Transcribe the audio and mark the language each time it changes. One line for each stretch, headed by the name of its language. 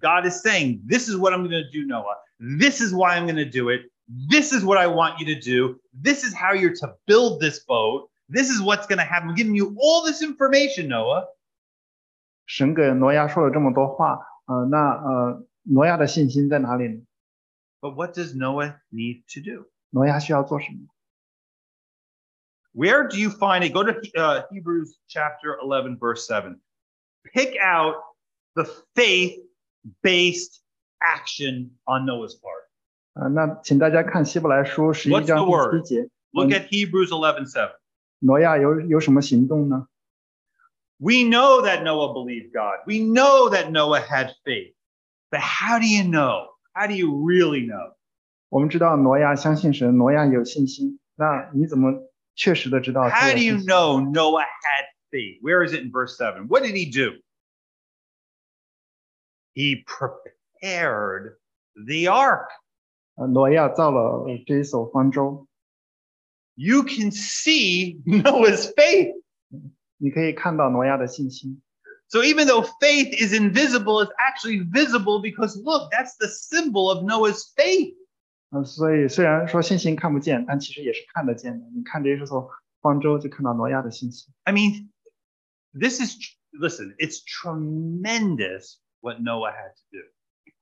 English: God is saying, this is what I'm going to do, Noah. This is why I'm going to do it. This is what I want you to do. This is how you're to build this boat. This is what's going to happen. I'm giving you all this information, Noah.
Chinese: 神给挪亚说了这么多话, 挪亚的信心在哪里呢?
English: But what does Noah need to do?
Chinese: 挪亚需要做什么?
English: Where do you find it? Go to Hebrews chapter 11, verse 7. Pick out the faith-based action on Noah's part.
Chinese: 那请大家看希伯来书11章第7节。
English: What's the word? Look at Hebrews 11, 7.
Chinese: 挪亚有什么行动呢?
English: We know that Noah believed God. We know that Noah had faith. But how do you know? How do you really know?
Chinese: 我们知道挪亚相信神，挪亚有信心。那你怎么确实的知道？
English: How do you know Noah had faith? Where is it in verse 7? What did he do? He prepared the ark.
Chinese: 挪亚造了这艘方舟。
English: You can see Noah's faith.
Chinese: 你可以看到挪亚的信心。
English: So even though faith is invisible, it's actually visible because look, that's the symbol of Noah's faith.
Chinese: 所以虽然说信心看不见，但其实也是看得见的。你看着这艘方舟，就看到挪亚的信心。
English: I mean, listen, it's tremendous what Noah had to do.